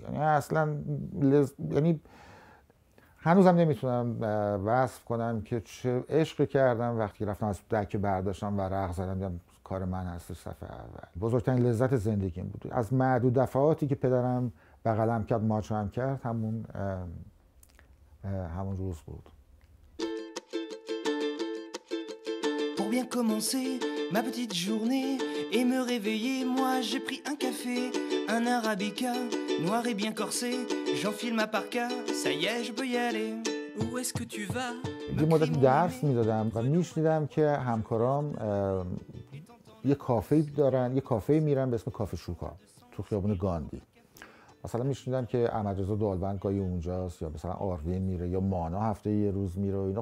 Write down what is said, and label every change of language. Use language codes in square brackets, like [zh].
[fa] یعنی اصلا یعنی هنوزم نمیتونم وصف کنم که چه عشقی کردم وقتی رفتم از دکه برداشتم و رخ زدم دیدم کار من هست صفحه اول. بزرگترین لذت زندگیم بود. از معدود دفعاتی که پدرم بغلم کرد، ماچم کرد، همون روز بود. [fr] Pour bien commencer ma petite journée et me réveiller, moi j'ai pris un café, un arabica noir et bien corsé. J'enfile ma parka, ça y est, je peux y aller. Où est-ce que tu vas? [fa] یه مدت درس میدادم و میشنیدم که همکارام یه کافه دارن، یه کافه میرن به اسم کافه شوکا تو خیابون گاندی. مثلا میشنیدم که احمدرضا دالبند گاهی اونجاست، یا مثلا آروین میره، یا مانا هفته یه روز میره و اینا.